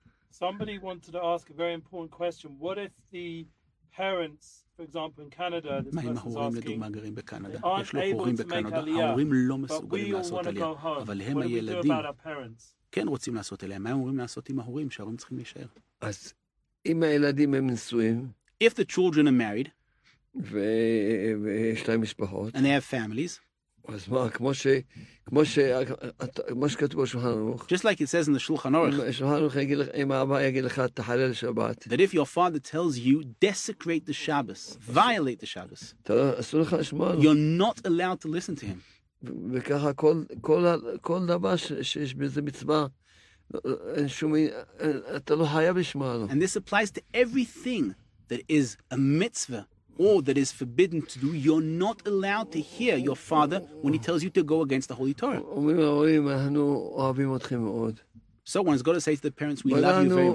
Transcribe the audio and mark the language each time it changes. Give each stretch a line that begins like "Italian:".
English: Somebody wanted to ask a very important question. What if the parents for example, in Canada, this person's asking, they aren't able to make aliyah, but we all want to go home. What do we do about our parents?
Hebrew: כן רוצים לעשות אליהם. מה הם אומרים לעשות עם ההורים שההורים צריכים להישאר? אז אם הילדים הם נשואים,
English: if the children are married,
Hebrew: ויש להם משפחות,
English: and they have families,
Hebrew: אז מה, כמו שכתוב בשולחן ערוך,
English: just like it says in the שולחן ערוך,
Hebrew: שולחן ערוך יגיד לך, אם אבא יגיד לך, תחלל שבת,
English: that if your father tells you, desecrate the Shabbos, violate the Shabbos,
Hebrew: אסור לך לשמוע,
English: you're not allowed to listen to him.
Hebrew: וככה כל דבר שיש בזה מצווה, אין שום, אתה לא חייב לשמוע לו.
English: And this applies to everything that is a mitzvah or that is forbidden to do. You're not allowed to hear your father when he tells you to go against the Holy Torah.
Hebrew: אומרים להורים, אנחנו אוהבים אתכם מאוד.
English: So one's got to say to the parents, we love you very much.